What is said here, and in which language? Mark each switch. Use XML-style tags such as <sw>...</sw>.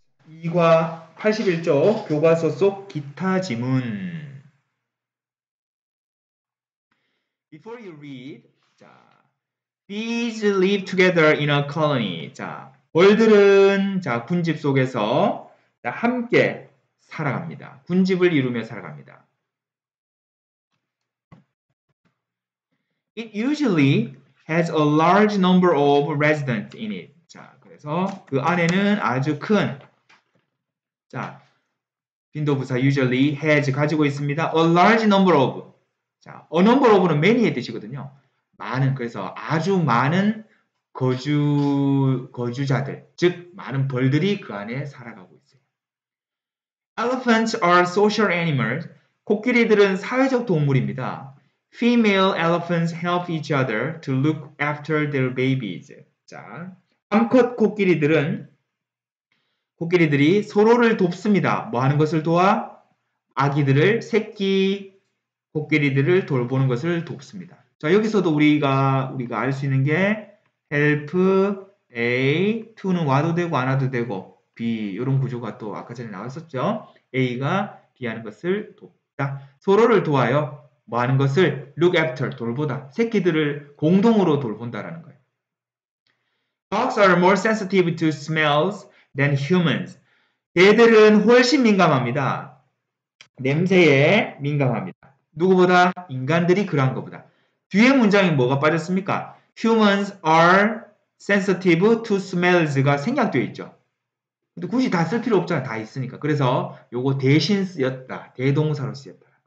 <ko>2과 81쪽 교과서 속 기타 지문.</ko> <en>Before you read, 자, bees live together in a colony.</en> <ko>자, 벌들은 자 군집 속에서 함께 살아갑니다. 군집을 이루며 살아갑니다.</ko> <en>It usually has a large number of residents in it.</en> <ko>자, 그래서 그 안에는 아주 큰 자, 빈도부사</ko> <en>usually has</en> <ko>가지고 있습니다.</ko> <en>A large number of. 자, a number of는 many의</en> <ko>뜻이거든요. 많은, 그래서 아주 많은 거주자들, 즉, 많은 벌들이 그 안에 살아가고 있어요.</ko> <en>Elephants are social animals.</en> <ko>코끼리들은 사회적 동물입니다.</ko> <en>Female elephants help each other to look after their babies.</en> <ko>자, 암컷 코끼리들은 코끼리들이 서로를 돕습니다. 뭐 하는 것을 도와? 아기들을, 새끼 코끼리들을 돌보는 것을 돕습니다. 자, 여기서도 우리가 알수 있는 게 help, A, to는 와도 되고 안 와도 되고 B, 이런 구조가 또 아까 전에 나왔었죠. A가 B 하는 것을 돕다. 서로를 도와요. 뭐 하는 것을?</ko> <en>look after, 돌보다.</en> <ko>새끼들을 공동으로 돌본다라는 거예요.</ko> <en>Dogs are more sensitive to smells than humans.</en> <ko>개들은 훨씬 민감합니다. 냄새에 민감합니다. 누구보다? 인간들이 그러한 것보다. 뒤에 문장에 뭐가 빠졌습니까?</ko> <en>Humans are sensitive to smells가</en> <ko>생략되어 있죠. 근데 굳이 다쓸 필요 없잖아. 다 있으니까. 그래서 요거 대신 쓰였다. 대동사로 쓰였다.</ko>